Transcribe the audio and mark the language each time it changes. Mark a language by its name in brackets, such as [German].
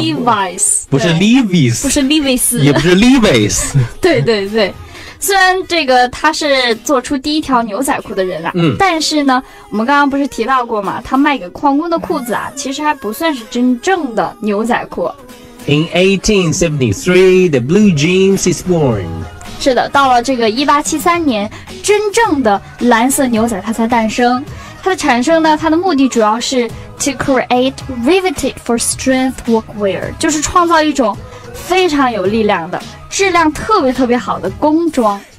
[English] ？Levi's [Chinese] 不是 Levi's，不是 Levi's，也不是 Levi's。对对对，虽然这个他是做出第一条牛仔裤的人啊，但是呢，我们刚刚不是提到过嘛，他卖给矿工的裤子啊，其实还不算是真正的牛仔裤。 [English] In 1873, the blue jeans is born. [Chinese] 是的，到了这个1873年，真正的蓝色牛仔它才诞生。它的产生呢，它的目的主要是 [English] to create riveted for strength workwear， [Chinese] 就是创造一种非常有力量的、质量特别特别好的工装。